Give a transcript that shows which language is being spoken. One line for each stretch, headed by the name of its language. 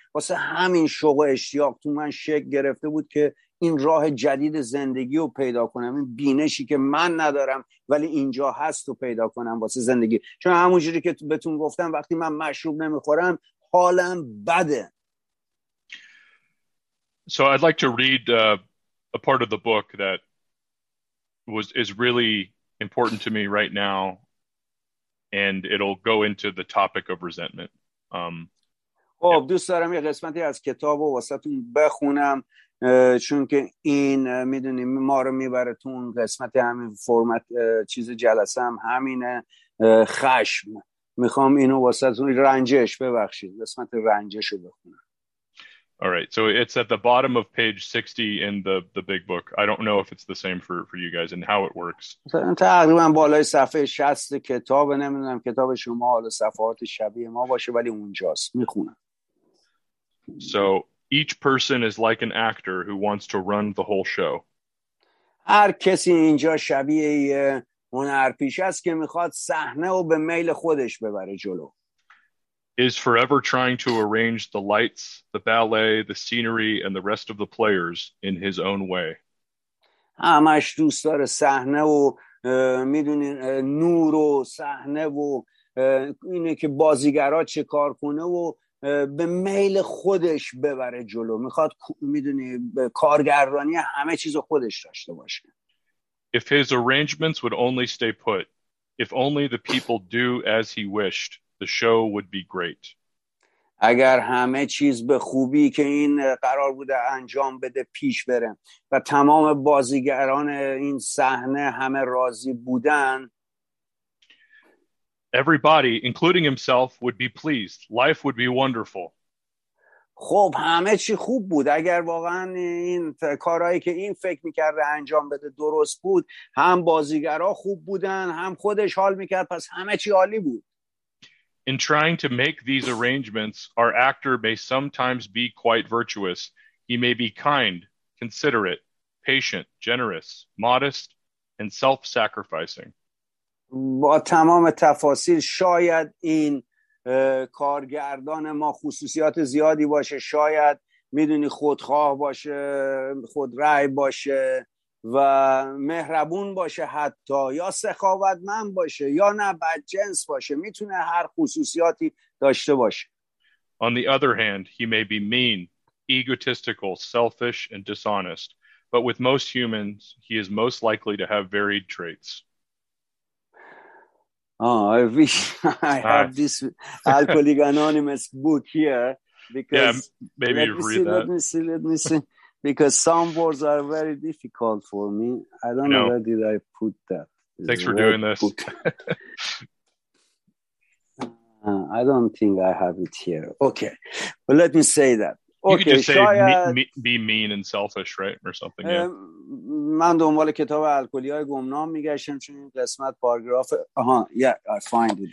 Persian: واسه همین شوق و اشتیاق تو من شکل گرفته بود که این راه جدید زندگی رو پیدا کنم، این بینشی که من ندارم ولی اینجا هست رو پیدا کنم واسه زندگی. چون همونجوری که بهتون گفتم وقتی من مشروب نمیخورم حالم بده.
English: So I'd like to read a part of the book that is really important to me right now, and it'll go into the topic of resentment.
Persian: خب دوست دارم یه قسمتی از کتاب رو واسه تون بخونم چون که این میدونی ما رو میبره تو اون قسمت، همین فرمت چیز جلسه هم همینه. خشم میخوام اینو واسه تون، رنجش ببخشید، قسمت رنجش رو بخونم.
English: All right, so it's at the bottom of page 60 in the big book. I don't know if it's the same for you guys and how it works.
Persian: تقریباً بالای صفحه 60 کتاب، نمیدونم کتاب شما حالا صفحات شبیه ما باشه ولی اونجاست، میخونم.
English: So each person is like an actor who wants to run the whole show.
Persian: هر کسی اینجا شبیه یه هنرپیشه است که میخواد صحنه رو به میل خودش ببره جلو.
English: Is forever trying to arrange the lights, the ballet, the scenery, and the rest of the players in his own way.
Persian: همش دوست داره صحنه و میدونی نور و صحنه و اینه که بازیگرا چه کار کنه و به میل خودش ببره جلو. میخواد میدونی کارگردانی همه چیز خودش داشته باشه.
English: If his arrangements would only stay put, if only the people do as he wished, the show would be great.
Persian: اگر همه چیز به خوبی که این قرار بوده انجام بده پیش بره و تمام بازیگران این صحنه همه راضی بودن،
English: everybody including himself would be pleased. Life would be wonderful.
Persian: خب همه چی خوب بود. اگر واقعا این کارهایی که این فکر میکرده انجام بده درست بود، هم بازیگرا خوب بودن هم خودش حال میکرد، پس همه چی عالی بود.
English: In trying to make these arrangements, our actor may sometimes be quite virtuous. He may be kind, considerate, patient, generous, modest, and self-sacrificing.
Persian: با تمام تفاصیل شاید این کارگردان ما خصوصیات زیادی باشه، شاید میدونی خودخواه باشه، خودرأی باشه و مهربون باشه حتی، یا سخاوتمند باشه یا نه بدجنس باشه، میتونه هر خصوصیاتی داشته باشه.
English: On the other hand, he may be mean, egotistical, selfish, and dishonest, but with most humans, he is most likely to have varied traits. I wish I have this Alcoholic Anonymous book here because maybe you've read that. Let me see. Because some words are very difficult for me. I don't know where did I put that. Thanks for doing this. I don't think I have it here. Okay. But let me say that. Okay. You could just say be mean and selfish, right? Or something.
Persian: من دنبال کتاب الکلی‌های گمنام میگشتم چون این قسمت پاراگراف
English: I find it.